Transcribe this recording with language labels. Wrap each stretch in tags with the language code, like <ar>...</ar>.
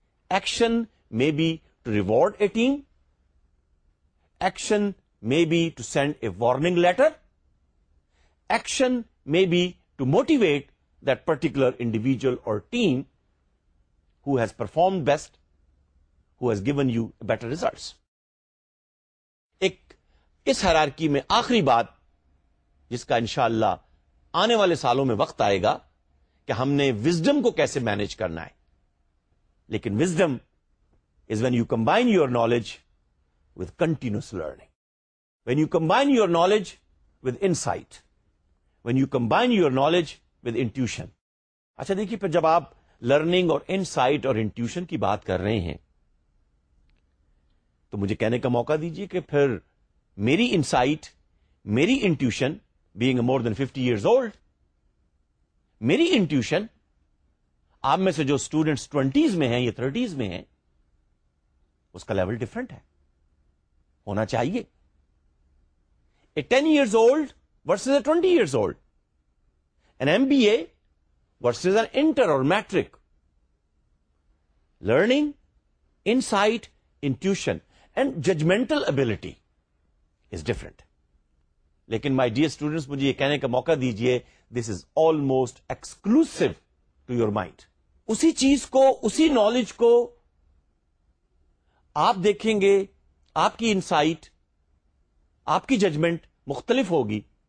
<en>Action may be to reward a team. Action may be to send a warning letter. Action may be to motivate that particular individual or team who has performed best, who has given you better results.</en> <ur>ایک اس hierarchy میں آخری بات جس کا انشاءاللہ آنے والے سالوں میں وقت آئے گا کہ ہم نے وزڈم کو کیسے مینج کرنا ہے. لیکن</ur> <en>Wisdom is when you combine your knowledge with continuous learning, when you combine your knowledge with insight, when you combine your knowledge with intuition.</en> <ur>اچھا دیکھیے, پھر جب آپ لرننگ اور انسائٹ اور انٹیوشن کی بات کر رہے ہیں تو مجھے کہنے کا موقع دیجیے کہ پھر میری انسائٹ, میری انٹیوشن,</ur> <en>being more than 50 years old,</en> <ur>میری انٹیوشن, آپ میں سے جو اسٹوڈینٹس 20s میں ہیں یا 30s میں ہیں, اس کا لیول ڈفرنٹ ہے, ہونا چاہیے.</ur> <en>A 10 years old versus a 20 years old, an M B A versus an inter اور matric. Learning, insight, intuition and judgmental ability is different. لیکن my dear students,</en> <ur>مجھے یہ کہنے کا موقع دیجیے,</ur> <en>This is almost exclusive to your mind.</en> <ur>اسی چیز کو, اسی نالج کو آپ دیکھیں گے, آپ کی انسائٹ, آپ کی ججمنٹ مختلف ہوگی.</ur>